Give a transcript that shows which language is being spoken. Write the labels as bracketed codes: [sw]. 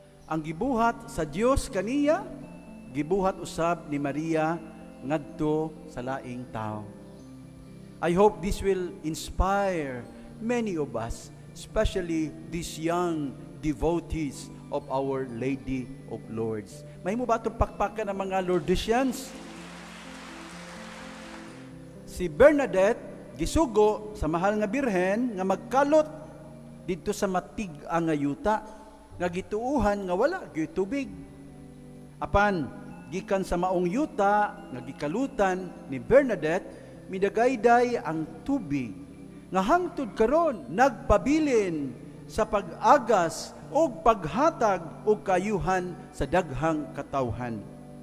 [ceb] Ang gibuhat sa Dios kaniya, gibuhat usab ni Maria ngadto sa laing tao. [en] I hope this will inspire many of us, especially these young devotees of Our Lady of Lourdes. [ceb] Mahimo ba itong pakpakan ng mga Lourdesians? Si Bernadette gisugo sa mahal nga Birhen nga magkalot dito sa matig-ang nga yuta nga gituuhan nga wala gyud tubig. Apan gikan sa maong yuta nga gikalutan ni Bernadette, midagayday ang tubig nga hangtod karon nagpabilin sa pag-agas ug paghatag ug kayuhan sa daghang katawhan.